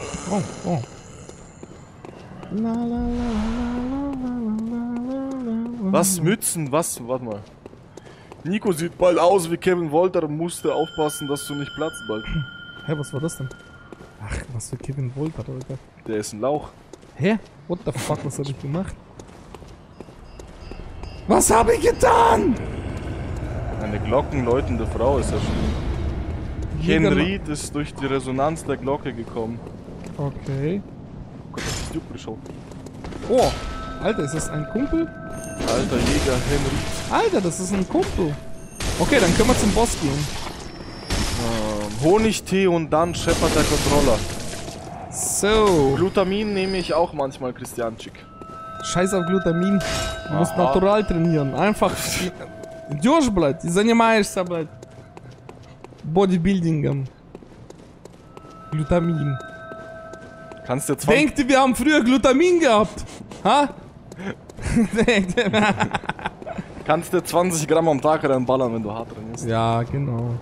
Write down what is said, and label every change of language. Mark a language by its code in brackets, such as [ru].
[de] Oh, oh. La, la, la, la, la, la, la. Was Mützen? Was? Warte mal. Nico sieht bald aus wie Kevin Wolter und musste aufpassen, dass du nicht platzt bald. Hä, was war das denn? Ach, was für Kevin Wolter, Alter. Der ist ein Lauch. Hä? [en] What the fuck, [de] was hab ich gemacht? Was hab ich getan? Eine glockenläutende Frau ist erschienen. Henriet ist durch die Resonanz der Glocke gekommen. Okay. Oh Gott, das ist super schon. Oh, Alter, ist das ein Kumpel? Alter Jäger Henry. Alter, das ist ein Kumpel. Okay, dann können wir zum Boss gehen. Honigtee und dann scheppert der Controller. So. Glutamin nehme ich auch manchmal, Christianczyk. Scheiß auf Glutamin. Du musst natural trainieren. Einfach. [ru] Идёшь, блядь, и занимаешься, блядь. Bodybuildingом. [de] Glutamin. Kannst du jetzt. Denkt ihr, wir haben früher Glutamin gehabt? Ha? Kannst du 20 Gramm am Tag reinballern, wenn du hart drin bist? Ja, genau.